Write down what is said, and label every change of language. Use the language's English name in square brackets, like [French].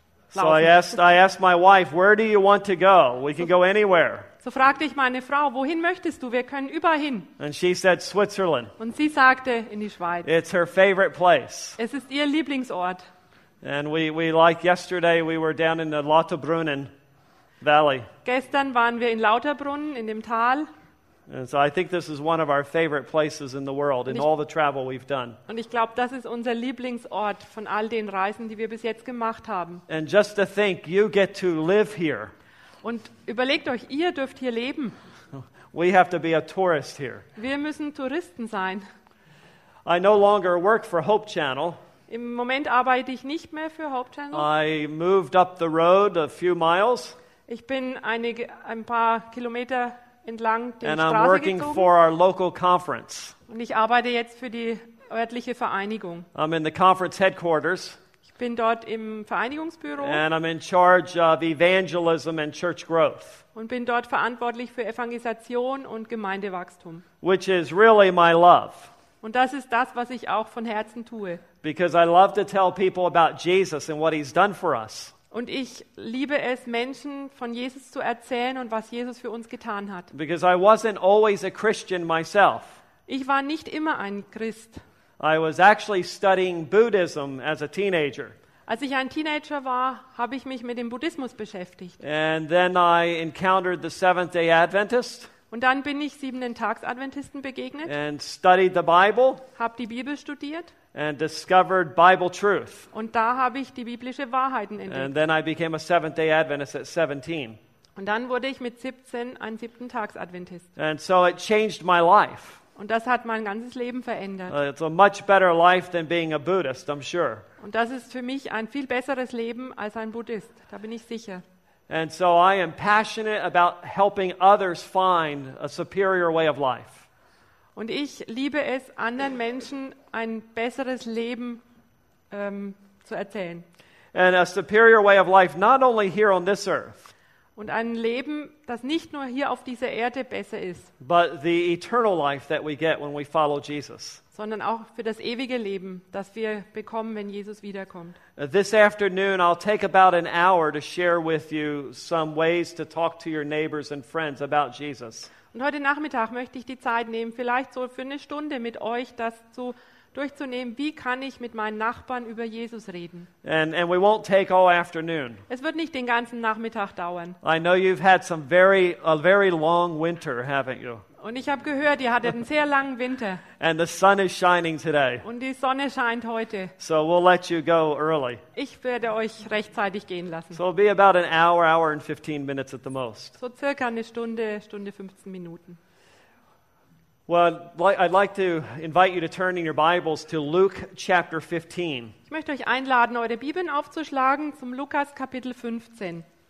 [English] So I asked my wife, where do you want to go? We can go anywhere. [German] So fragte ich meine Frau, wohin möchtest du? Wir können überall hin. [English] And she said Switzerland. [German] Und sie sagte in die Schweiz. [English] It's her favorite place. [German] Es ist ihr Lieblingsort. [English] And we like yesterday we were down in the Lauterbrunnen Valley. [German] Gestern waren wir in Lauterbrunnen in dem Tal. [English] And so I think this is one of our favorite places in the world in all the travel we've done. [German] Und ich glaube, das ist unser Lieblingsort von all den Reisen, die wir bis jetzt gemacht haben. [English] And just to think, you get to live here. [German] Und überlegt euch, ihr dürft hier leben. [English] We have to be a tourist here. [German] Wir müssen Touristen sein. [English] I no longer work for Hope Channel. [German] Im Moment arbeite ich nicht mehr für Hope Channel. [English] I moved up the road a few miles. [German] Ich bin ein paar Kilometer entlang der Straße gezogen. [English] And I'm working for our local conference. [German] Und ich arbeite jetzt für die örtliche Vereinigung. [English] I'm in the conference headquarters. [German] Ich bin dort im Vereinigungsbüro. [English] And I'm in charge of evangelism and church growth. [German] Und bin dort verantwortlich für Evangelisation und Gemeindewachstum. [English] Which is really my love. [German] Und das ist das, was ich auch von Herzen tue. [English] Because I love to tell people about Jesus and what he's done for us. [German] Und ich liebe es, Menschen von Jesus zu erzählen und was Jesus für uns getan hat. [English] Because I wasn't always a Christian myself. [German] Ich war nicht immer ein Christ. [English] I was actually studying Buddhism as a teenager. [German] Als ich ein Teenager war, habe ich mich mit dem Buddhismus beschäftigt. [English] And then I encountered the Seventh-day Adventist. [German] Und dann bin ich Siebenten-Tags-Adventisten begegnet. [English] And studied the Bible. [German] Habe die Bibel studiert. [English] And discovered Bible truth. [German] Und da habe ich die biblische Wahrheiten entdeckt. [English] And then I became a Seventh-day Adventist at 17. [German] Und dann wurde ich mit 17 ein Siebenten-Tags-Adventist. [English] And so it changed my life. [German] Und das hat mein ganzes Leben verändert. [English] It's a much better life than being a Buddhist, I'm sure. [German] Und das ist für mich ein viel besseres Leben als ein Buddhist, da bin ich sicher. [English] And so I am passionate about helping others find a superior way of life. [German] Und ich liebe es, anderen Menschen ein besseres Leben zu erzählen. [English] And a superior way of life not only here on this earth. [German] Und ein Leben, das nicht nur hier auf dieser Erde besser ist. [English] But the eternal life that we get when we follow Jesus. [German] Sondern auch für das ewige Leben, das wir bekommen, wenn Jesus wiederkommt. [English] This afternoon I'll take about an hour to share with you some ways to talk to your neighbors and friends about Jesus. [German] Und heute Nachmittag möchte ich die Zeit nehmen, vielleicht so für eine Stunde mit euch das zu durchzunehmen, wie kann ich mit meinen Nachbarn über Jesus reden. [English] And we won't take all afternoon. [German] Es wird nicht den ganzen Nachmittag dauern. [English] I know you've had some a very long winter, haven't you? [German] Und ich habe gehört, ihr hattet einen sehr langen Winter. [English] And the sun is shining today. [German] Und die Sonne scheint heute. [English] So we'll let you go early. [German] Ich werde euch rechtzeitig gehen lassen. [English] So it'll be about an hour, hour and 15 minutes at the most. [German] So circa eine Stunde, Stunde 15 Minuten. [English] Well, I'd like to invite you to turn in your Bibles to Luke chapter 15. [German] Ich möchte euch einladen, eure Bibeln aufzuschlagen zum Lukas Kapitel 15.